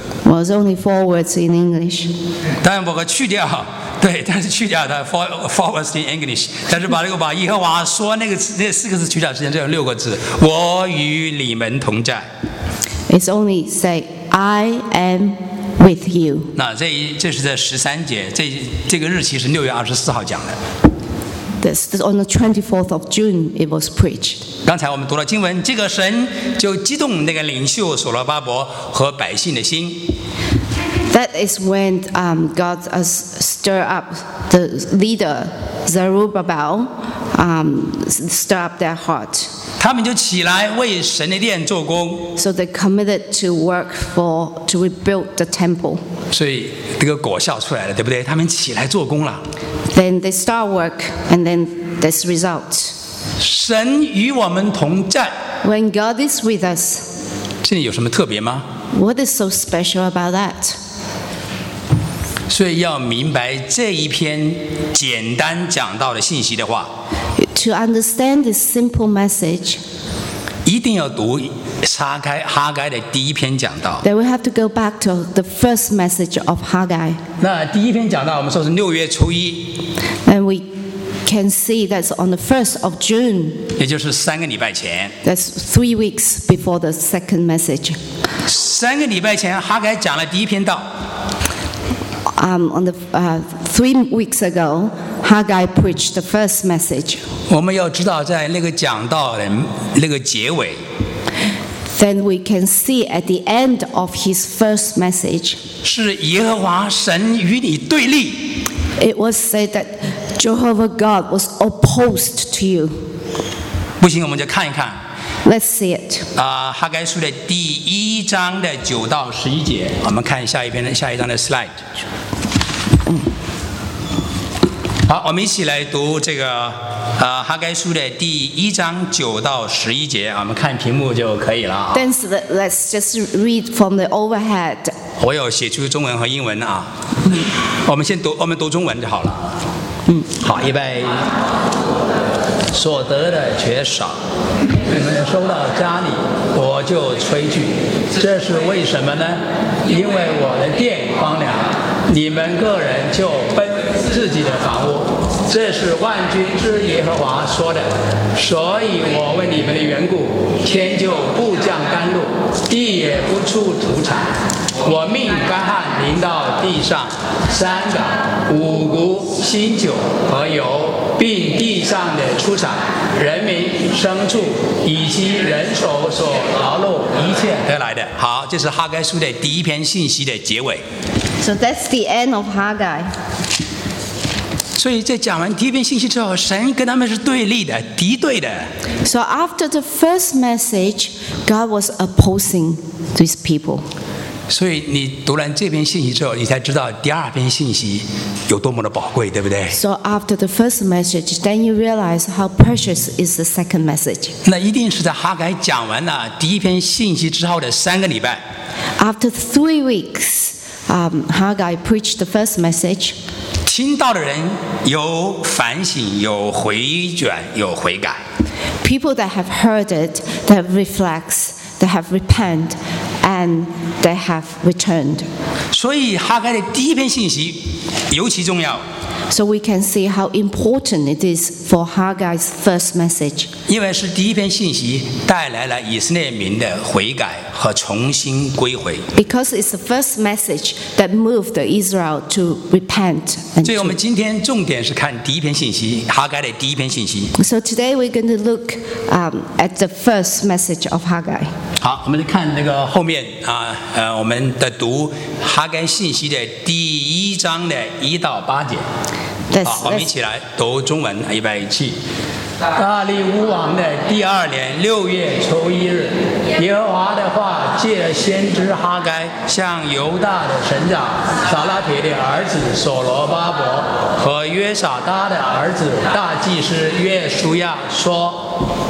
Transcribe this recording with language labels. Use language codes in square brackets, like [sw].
[en] Well, it's only four words in English. [zh] 但我去掉。对，但是去掉它 [en] forwards in English， [zh] 但是把这个把耶和华说那个那四个字去掉，实际上只有六个字，我与你们同在。 [en] It's only say I am with you。 [zh] 那这是在十三节，这个日期是六月二十四号讲的。 [en] This on the 24th of June it was preached。 [zh] 刚才我们读了经文，这个神就激动那个领袖所罗巴伯和百姓的心。 [en] That is when God has stirred up the leader Zerubbabel, stir up their heart. [zh] 他们就起来为神的殿做工。 [en] So they committed to work to rebuild the temple. [zh] 所以这个果效出来了，对不对？他们起来做工了。 [en] Then they start work, and then this result. [zh] 神与我们同在。 [en] When God is with us. [zh] 这里有什么特别吗 [en] ？What is so special about that？ [zh] 所以要明白这一篇简单讲到的信息的话 [en] To understand this simple message [zh] 一定要读哈该的第一篇讲道 [en] Then we have to go back to the first message of Haggai [zh] 那第一篇讲道我们说是六月初一 [en] And we can see that's on the 1st of June [zh] 也就是三个礼拜前 [en] That's 3 weeks before the second message [zh] 三个礼拜前哈该讲了第一篇道 [en] On the 3 weeks ago, Haggai preached the first message. [zh] 我们要知道在那个讲道的那个结尾。 [en] Then we can see at the end of his first message. [zh] 是耶和华神与你对立。 [en] It was said that Jehovah God was opposed to you. [zh] 不行，我们就看一看。 [en] Let's see it. [zh] 哈该书的第一章的九到十一节，我们看下一章的 slide。好，我们一起来读这个哈该书的第一章九到十一节，我们看屏幕就可以了。 [en] Then let's just read from the overhead. [zh] 我有写出中文和英文啊。我们先读，我们读中文就好了。好，预备。所得的却少，你们收到家里，我就炊具，这是为什么呢？因为我的殿荒凉，你们个人就奔自己的房屋，这是万军之耶和华说的。所以我为你们的缘故，天就不降甘露，地也不出土产。我命干旱临到地上，山岗、五谷、新酒和油，并地上的出产、人民、牲畜以及人手所劳碌一切得来的。好，这是哈该书的第一篇信息的结尾。 [en] So that's the end of Haggai. [zh] 所以在讲完第一篇信息之后，神跟他们是对立的、敌对的。 [en] So after the first message, God was opposing these people. [zh] 所以你读完这篇信息之后，你才知道第二篇信息有多么的宝贵，对不对 [en] ？So after the first message, then you realize how precious is the second message. [zh] 那一定是在哈该讲完了第一篇信息之后的三个礼拜。 [en] After 3 weeks, Haggai preached the first message. [zh] 听到的人有反省，有回转，有悔改。 [en] People that have heard it, that reflects, that have repented. And they have returned. [zh] 所以哈该的第一篇信息尤其重要。 [en] So we can see how important it is for Haggai's first message. [zh] 因为是第一篇信息带来了以色列民的悔改和重新归回。 [en] Because it's the first message that moved Israel to repent. [zh] 所以我们今天重点是看第一篇信息，哈该的第一篇信息。 [en] So today we're going to look at the first message of Haggai. [zh] 好，我们来看那个后面啊，我们的读哈该信息的第一章的1-8节。 [en] That's, [zh] 好，我们一起来读中文，预备起。大利乌王的第二年6月初1日，耶和华的话借先知哈该向犹大的省长撒拉铁的儿子所罗巴伯和约撒达的儿子大祭司约书亚说。